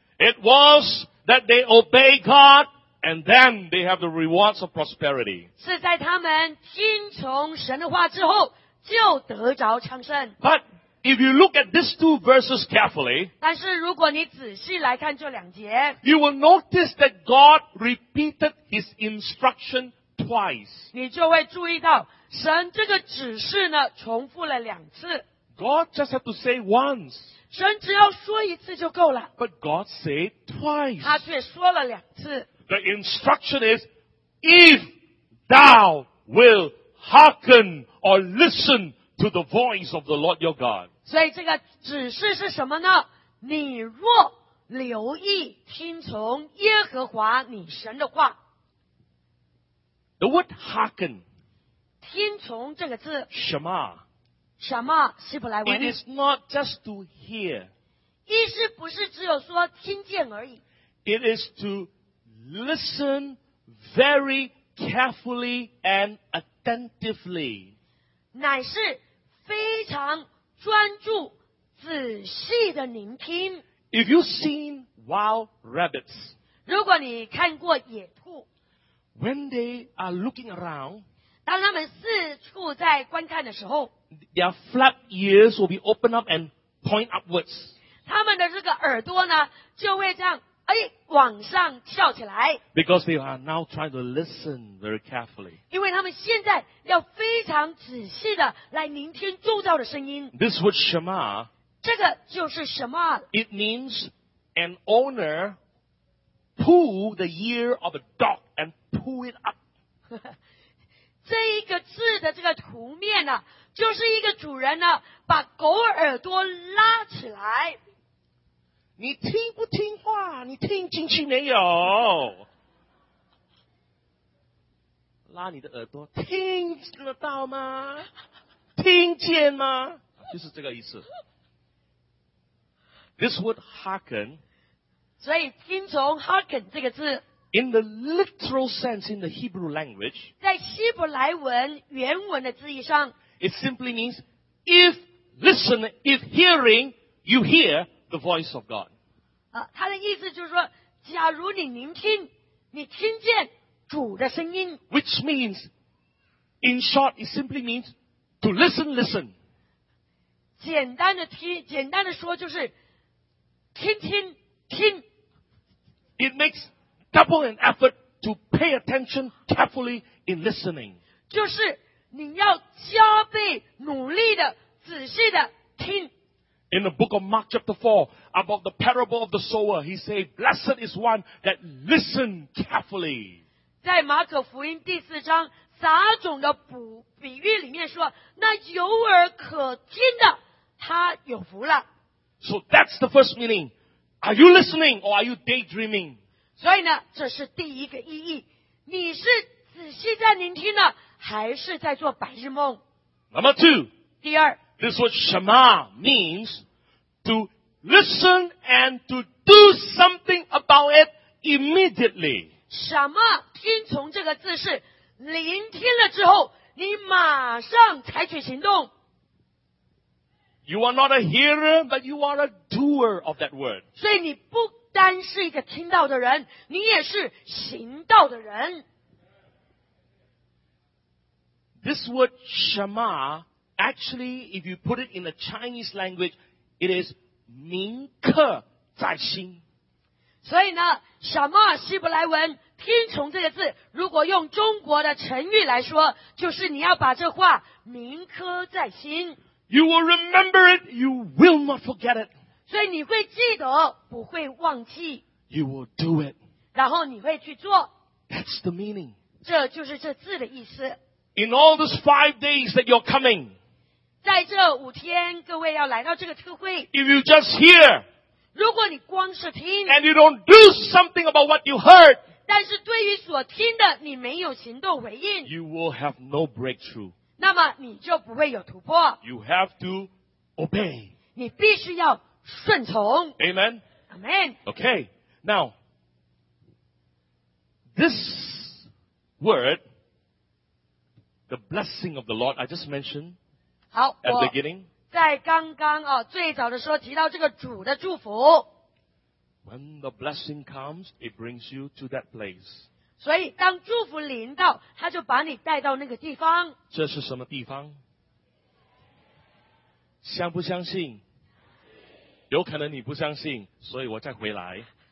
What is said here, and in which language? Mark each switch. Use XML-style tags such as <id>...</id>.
<en>It was that they obey God and then they have the rewards of prosperity.</en> <zh>是在他们听从神的话之后就得着昌盛。</zh> <en>But if you look at these two verses carefully,</en> <zh>但是如果你仔细来看这两节,</zh> <en>you will notice that God repeated his instruction twice.</en> <zh>你就会注意到神这个指示呢重复了两次。</zh> <en>God just had to say once.</en> <zh>神只要说一次就够了。</zh> <en>But God said twice.</en> <zh>他却说了两次。</zh> <en>The instruction is, if thou will hearken or listen to the voice of the Lord your God.</en> <zh>所以这个指示是什么呢？你若留意听从耶和华你神的话。</zh> <en>The word hearken.</en> <zh>听从这个字。</zh> <he>Shema.</he> <zh>什么希伯来文</zh> <en>It is not just to hear.</en> <zh>意思不是只有说听见而已。</zh> <en>It is to listen very carefully and attentively.</en> <zh>乃是非常专注仔细的聆听。</zh> <en>If you've seen wild rabbits,</en> <zh>如果你看过野兔</zh> <en>when they are looking around,</en> <zh>当他们四处在观看的时候</zh> <en>their flap ears will be opened up and point upwards.</en> <zh>他们的这个耳朵呢就会这样哎往上翘起来</zh> <en>because they are now trying to listen very carefully.</en> <zh>因为他们现在要非常仔细的来聆听周遭的声音</zh> <en>This word Shema</en> <zh>这个就是 Shema</zh> <en>It means an owner pull the ear of a dog and pull it up.</en> <zh>这一个字的这个图面呢、啊、就是一个主人呢把狗耳朵拉起来。你听不听话你听进去没有拉你的耳朵听得到吗听见吗就是这个意思。</zh> <en>This word hearken,</en> <zh>所以听从 hearken 这个字</zh> <en>In the literal sense in the Hebrew language,</en> <zh>在希伯来文原文的字义上</zh> <en>it simply means, if listen, if hearing, you hear the voice of God.</en> <zh>它的意思就是说假如你聆听你听见主的声音</zh> <en>Which means, in short, it simply means to listen, listen.</en> <zh>简单的听简单的说就是听听听</zh> <en>It makes Double an effort to pay attention carefully in listening.</en> <zh>就是你要加倍努力的仔细的听。</zh> <en>In the book of Mark chapter 4, about the parable of the sower, he said, Blessed is one that listen carefully.</en> <zh>在马可福音第四章撒种的比喻里面说那有耳可听的他有福了。</zh> <en>So that's the first meaning. Are you listening or are you daydreaming?</en> <zh>所以呢这是第一个意义你是仔细在聆听呢还是在做白日梦</zh> <en>Number two</en> <zh>第二</zh> <en>This word Shema means to listen and to do something about it immediately</en> <zh>Shema 听从这个字是聆听了之后你马上采取行动</zh> <en>You are not a hearer but you are a doer of that word</en> <zh>所以你不单是一个听到的人你也是行道的人</zh> <en>This word Shema actually if you put it in the Chinese language it is</en> <zh>铭刻在心所以呢 Shema 希伯来文听从这个字如果用中国的成语来说就是你要把这话铭刻在心</zh> <en>You will remember it You will not forget it</en> <zh>所以你会记得不会忘记</zh> <en>You will do it</en> <zh>然后你会去做</zh> <en>That's the meaning</en> <zh>这就是这字的意思</zh> <en>In all these 5 days that you're coming</en> <zh>在这五天各位要来到这个特会</zh> <en>If you just hear</en> <zh>如果你光是听</zh> <en>And you don't do something about what you heard</en> <zh>但是对于所听的你没有行动回应</zh> <en>You will have no breakthrough</en> <zh>那么你就不会有突破</zh> <en>You have to obey</en> <zh>你必须要顺从</zh> <en>Amen Amen Okay Now This word, the blessing of the Lord, I just mentioned</en> <zh>好,</zh> <en>at the beginning.</en> <zh>在刚刚, 最早的时候, 提到这个主的祝福,</zh> <en>when the blessing comes, it brings you to that place.</en> <zh>所以当祝福临到, 他就把你带到那个地方。这是什么地方? 相不相信? 有可能你不相信, 所以我再回来。</zh>